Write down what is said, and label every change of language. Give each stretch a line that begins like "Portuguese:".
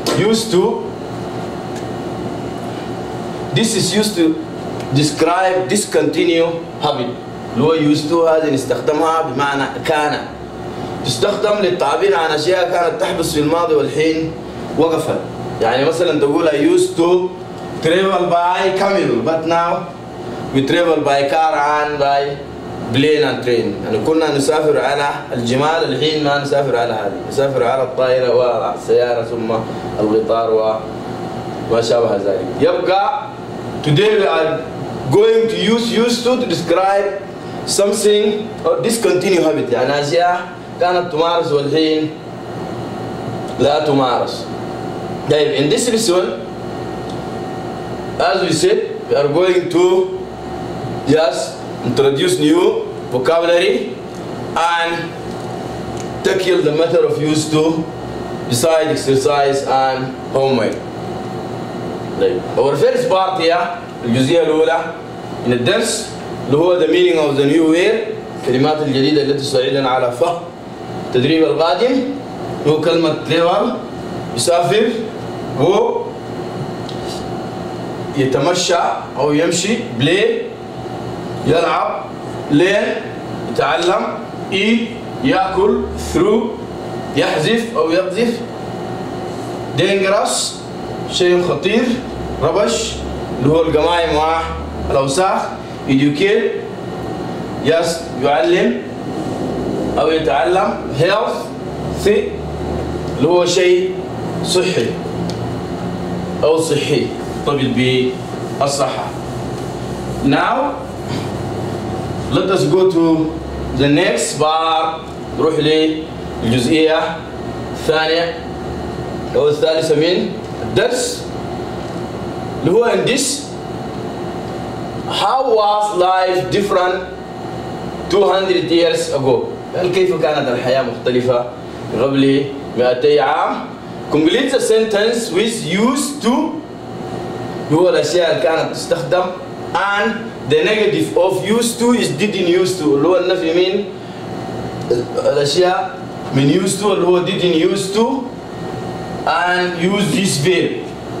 English: Used to. This is used to describe discontinue habit.
Arabic: لو used to هذه نستخدمها بمعنى كان، تستخدم للتعبير عن أشياء كانت تحدث في الماضي والحين وقفت.
English: يعني مثلا تقول I used to travel by camel but now we travel by car and by plane and train.
Arabic: يعني كنا نسافر على الجمال، الحين ما نسافر على هذه، نسافر على الطائرة والسيارة ثم القطار وما شابه ذلك.
English: يبقى today we are going to use used to describe something or discontinue habit.
Arabic: يعني أشياء كانت تمارس والحين لا تمارس.
English: طيب in this lesson as we said we are going to just introduce new vocabulary and tackle the matter of used to beside exercise and homework.
Arabic: طيب our first part here الجزئية الأولى in the درس اللي هو the meaning of the new word، كلمات الجديدة التي تساعدنا على فهم التدريب القادم، هو كلمة travel يسافر و يتمشى أو يمشي، play يلعب، learn يتعلم، eat يأكل، through يحذف أو يقذف، dangerous شيء خطير، rubbish اللي هو القمايم والأوساخ، educate yes يعلم أو يتعلم، health ثي اللي هو شيء صحي أو صحي طبيب بالصحة.
English: Now let us go to the next part.
Arabic: نروح للجزئية الثانية أو الثالثة من الدرس اللي هو in this how was life different 200 years ago.
English: هل كيف كانت الحياة مختلفة قبل 200 عام؟ Complete the sentence with used to هو الأشياء اللي كانت تستخدم and the negative of used to is didn't used to اللي هو النفي من الأشياء من used to اللي هو didn't used to and use this verb.